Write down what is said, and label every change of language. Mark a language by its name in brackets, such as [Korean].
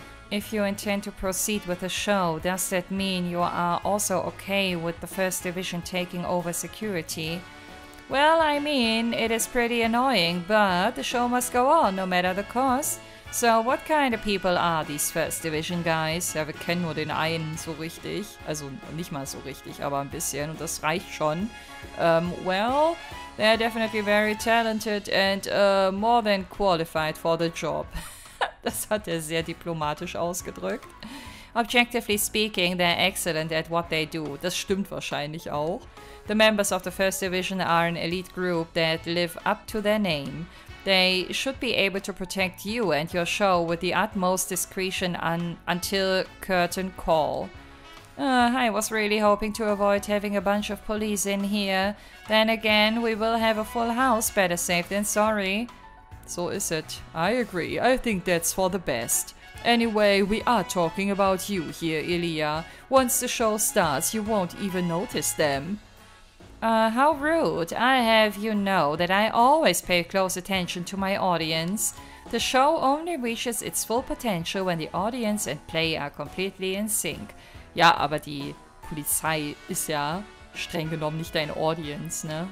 [English] If you intend to proceed with the show, does that mean you are also okay with the First Division taking over security? Well, I mean, it is pretty annoying, but the show must go on, no matter the cost. So, what kind of people are these First Division guys? [German] Ja, wir kennen nur den einen so richtig. Also, nicht mal so richtig, aber ein bisschen. Und das reicht schon. [English] Well, they are definitely very talented and more than qualified for the job. [German] Das hat er sehr diplomatisch ausgedrückt. [English] Objectively speaking, they're excellent at what they do. [German] Das stimmt wahrscheinlich auch. [English] The members of the First Division are an elite group that live up to their name. They should be able to protect you and your show with the utmost discretion until curtain call. I was really hoping to avoid having a bunch of police in here. Then again, we will have a full house, better safe than sorry. So is it. I agree. I think that's for the best. Anyway, we are talking about you here, Ilya. Once the show starts, you won't even notice them. How rude. I have you know that I always pay close attention to my audience. The show only reaches its full potential when the audience and play are completely in sync. [German] Ja, aber die Polizei ist ja streng genommen nicht dein Audience, ne?